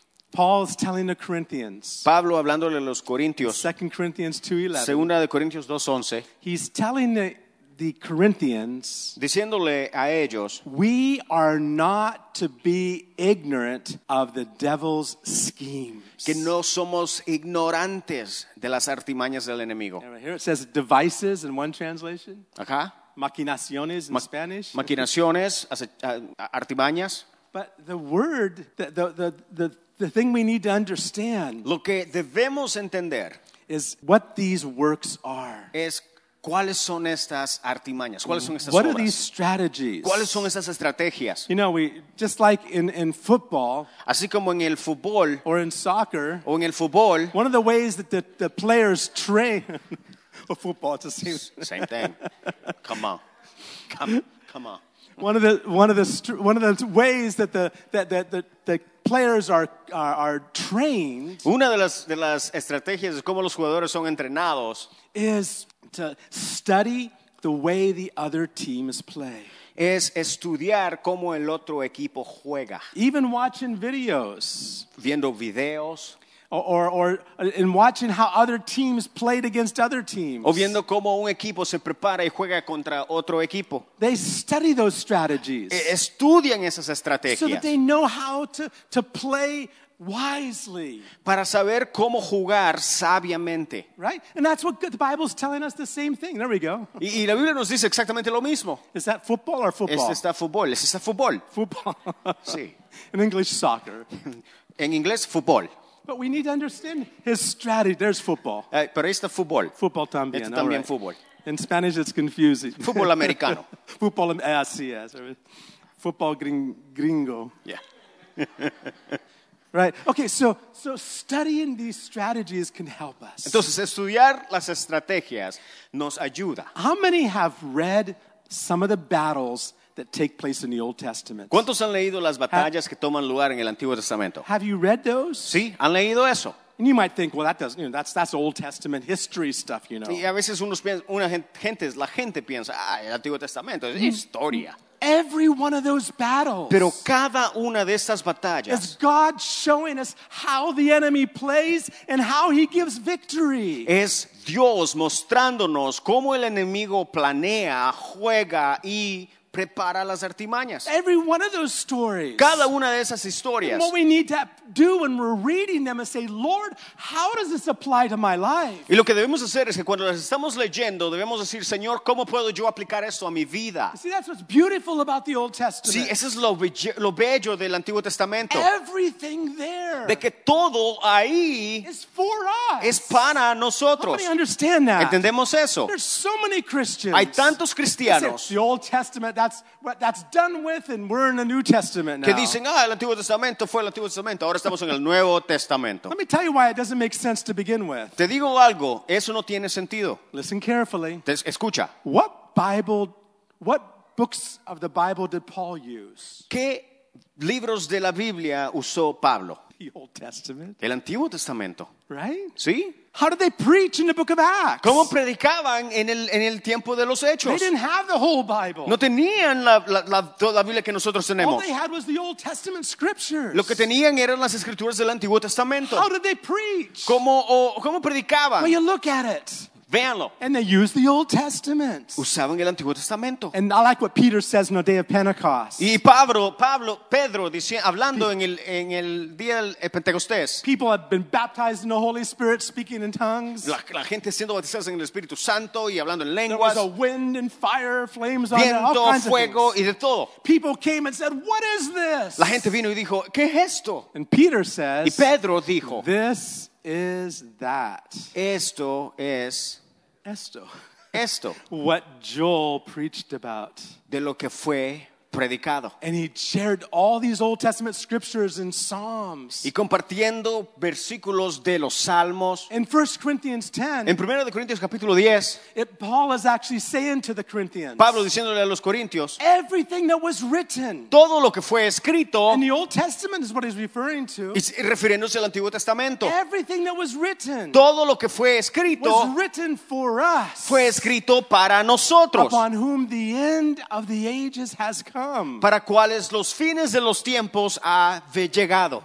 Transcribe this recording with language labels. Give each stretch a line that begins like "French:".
English: Paul's telling the Corinthians.
Spanish: Pablo hablándole a los corintios.
English: 2 Corinthians 2:11.
Spanish: Segunda de Corintios 2:11.
English: He's telling the Corinthians,
Spanish: diciéndole a ellos,
English: we are not to be ignorant of the devil's schemes.
Spanish: Que no somos ignorantes de las artimañas del enemigo.
English: Here it says devices in one translation.
Spanish: Acá.
English: Maquinaciones in Spanish.
Spanish: Maquinaciones, artimañas.
English: But the word, the thing we need to understand,
Spanish: lo que debemos entender,
English: is what these works are.
Spanish: Es ¿cuáles son estas artimañas? ¿Cuáles son estas
English: What
Spanish: obras?
English: Are these strategies?
Spanish: ¿Cuáles son estas estrategias?
English: You know, we just like in football,
Spanish: así como en el fútbol,
English: or in soccer,
Spanish: o en el fútbol,
English: one of the ways that the players train, or football, it's the same thing. Come on. One of the ways that the players are trained.
Spanish: Una de las estrategias es cómo los jugadores son entrenados.
English: Is to study the way the other teams play.
Spanish: Es estudiar cómo el otro equipo juega.
English: Even watching videos.
Spanish: Viendo videos.
English: Or in watching how other teams played against other teams.
Spanish: O viendo cómo un equipo se prepara y juega contra otro equipo.
English: They study those strategies.
Spanish: Estudian esas estrategias.
English: So that they know how to play wisely.
Spanish: Para saber cómo jugar sabiamente.
English: Right? And that's what the Bible's telling us the same thing. There we go.
Spanish: Y la Biblia nos dice exactamente lo mismo.
English: Is that football or football?
Spanish: Es está fútbol.
English: Football.
Spanish: Sí.
English: In English, soccer.
Spanish: En inglés, fútbol.
English: But we need to understand his strategy. There's football.
Spanish: Pero está fútbol. Football también. Está también
English: right.
Spanish: Fútbol.
English: In Spanish, it's confusing.
Spanish: Fútbol americano. Fútbol, así es. Fútbol gringo.
English: Yeah. Right. Okay, so studying these strategies can help us.
Spanish: Entonces, estudiar las estrategias nos ayuda.
English: How many have read some of the battles that take place in the Old Testament?
Spanish: ¿Cuántos han leído las batallas que toman lugar en el Antiguo Testamento?
English: Have you read those?
Spanish: Sí, han leído eso.
English: And you might think, well, that doesn't, you know, that's Old Testament history stuff, you know.
Spanish: Y a veces unos piensan, la gente piensa, el Antiguo Testamento es historia.
English: Every one of those battles.
Spanish: Pero cada una de estas batallas.
English: Is God showing us how the enemy plays and how he gives victory.
Spanish: Es Dios mostrándonos cómo el enemigo planea, juega y prepara las artimañas.
English: Every one of those stories.
Spanish: Cada una de esas historias.
English: And what we need to do when we're reading them is say, Lord, how does this apply to my life?
Spanish: Y lo que debemos hacer es que cuando las estamos leyendo, debemos decir, Señor, ¿cómo puedo yo aplicar esto a mi vida?
English: See, that's what's beautiful about the Old Testament.
Spanish: Sí, eso es lo bello del Antiguo Testamento.
English: Everything there.
Spanish: De que todo ahí
English: is for us.
Spanish: Es para nosotros.
English: How many understand that?
Spanish: ¿Entendemos eso?
English: There's so many Christians.
Spanish: Hay tantos cristianos.
English: The Old Testament, that's done with, and we're in the New Testament now.
Spanish: Que dicen, ah, el Antiguo Testamento fue el Antiguo Testamento, ahora estamos en el Nuevo Testamento.
English: Let me tell you why it doesn't make sense to begin with.
Spanish: Te digo algo, eso no tiene sentido.
English: Listen carefully.
Spanish: Escucha.
English: What books of the Bible did Paul use?
Spanish: ¿Qué libros de la Biblia usó Pablo?
English: The Old Testament.
Spanish: El Antiguo Testamento.
English: Right?
Spanish: Sí.
English: How did they preach in the book of Acts?
Spanish: ¿Cómo predicaban en el tiempo de los Hechos?
English: They didn't have the whole Bible.
Spanish: No tenían toda la Biblia que nosotros tenemos.
English: All they had was the Old Testament scriptures.
Spanish: Lo que tenían eran las escrituras del Antiguo Testamento.
English: How did they preach?
Spanish: ¿Cómo predicaban?
English: Well, you look at it.
Spanish: Véanlo.
English: And they used the Old Testament.
Spanish: Usaban el Antiguo Testamento.
English: And I like what Peter says on the day of Pentecost.
Spanish: Y Pedro hablando en el día del Pentecostés.
English: People have been baptized in the Holy Spirit, speaking in tongues.
Spanish: La gente siendo bautizada en el Espíritu Santo y hablando en lenguas.
English: There was a wind and fire, flames on
Spanish: viento,
English: all kinds of things.
Spanish: Fuego y de todo.
English: People came and said, "What is this?"
Spanish: La gente vino y dijo, "¿Qué es esto?"
English: And Peter says,
Spanish: y Pedro dijo,
English: "This is that."
Spanish: Esto es esto. Esto.
English: What Joel preached about.
Spanish: De lo que fue predicado.
English: And he shared all these Old Testament scriptures and Psalms.
Spanish: Y compartiendo versículos de los Salmos.
English: In 1 Corinthians 10.
Spanish: En 1 Corintios capítulo 10.
English: Paul is actually saying to the Corinthians.
Spanish: Pablo diciéndole a los Corintios.
English: Everything that was written.
Spanish: Todo lo que fue escrito.
English: In the Old Testament is what he's referring to.
Spanish: Y refiriéndose al Antiguo Testamento.
English: Everything that was written.
Spanish: Todo lo que fue escrito.
English: Was written for us.
Spanish: Fue escrito para nosotros.
English: Upon whom the end of the ages has come.
Spanish: Para cuáles los fines de los tiempos ha llegado.